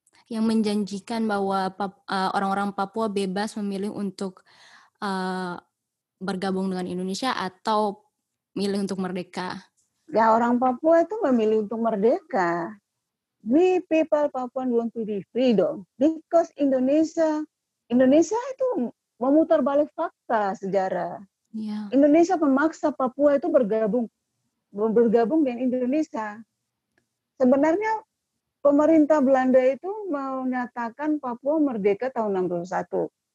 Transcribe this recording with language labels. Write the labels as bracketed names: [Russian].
[Indonesian] menjanjikan bahwa orang-orang Papua bebas memilih untuk bergabung dengan Indonesia atau milih untuk merdeka. Ya, orang Papua itu memilih untuk merdeka. [English] We people Papuan want to be free [Indonesian] dong. [English] Because [Indonesian] Indonesia itu memutar balik fakta sejarah. Yeah. Indonesia memaksa Papua itu bergabung dengan Indonesia. Sebenarnya pemerintah Belanda itu menyatakan Papua merdeka tahun 61.